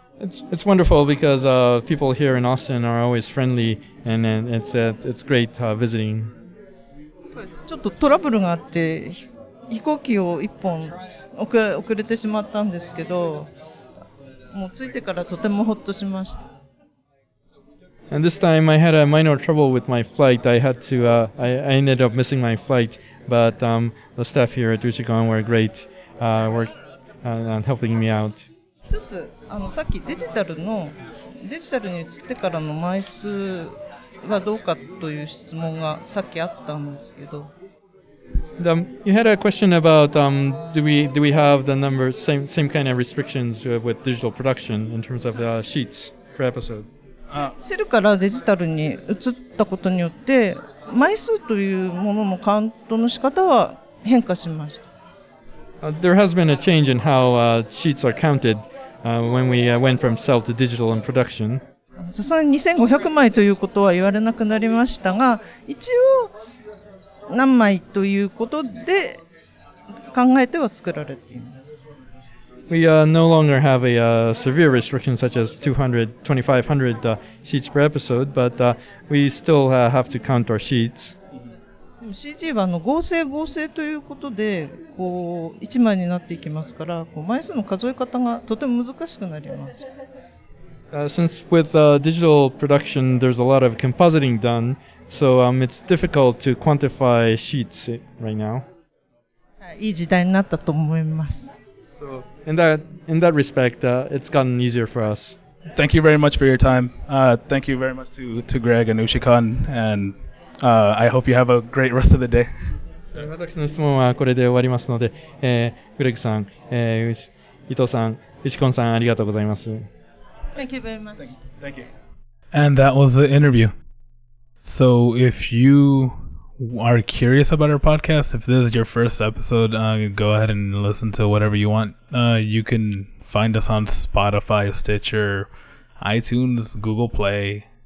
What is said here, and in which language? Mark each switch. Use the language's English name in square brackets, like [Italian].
[English] It's wonderful because people here in Austin are always friendly and it's great visiting. [Japanese] ちょっとトラブルがあって飛行機を一本遅れてしまったんですけど、もう着いてからとてもホッとしました。 [English] And this time I had a minor trouble with my flight. I ended up missing my flight, but the staff here at Ushikon were great, were helping me out. [Japanese] 一つ、あの、さっきデジタルの、デジタルに移ってからの枚数はどうかという質問がさっきあったんですけど。 [English] You had a question about do we have the number same kind of restrictions with digital production in terms of the sheets per episode? [Japanese] セルからデジタルに移ったことによって枚数というもののカウントの仕方は変化しました。 [English] There has been a change in how sheets are counted when we went from cell to digital in production. [Japanese] さすがに2500枚ということは言われなくなりましたが、一応何枚ということで考えては作られています。 [English] We no longer have a severe restriction such as 2,500 sheets per episode, but we still have to count our sheets. [Japanese] CG はあの合成ということでこう1枚になっていきますからこう枚数の数え方がとても難しくなります。 [English] Since with digital production, there's a lot of compositing done, so it's difficult to quantify sheets right now. [Japanese] いい時代になったと思います。 [English] So in that respect, it's gotten easier for us. Thank you very much for your time. Thank you very much to Greg and Ushikon andI hope you have a great rest of the day. [Japanese] 私の質問はこれで終わりますので、グレグさん、伊藤さん、ウシコンさん、ありがとうございます。 [English] Thank you very much. Thank you. And that was the interview. So if you are curious about our podcast, if this is your first episode, go ahead and listen to whatever you want. You can find us on Spotify, Stitcher, iTunes, Google Play.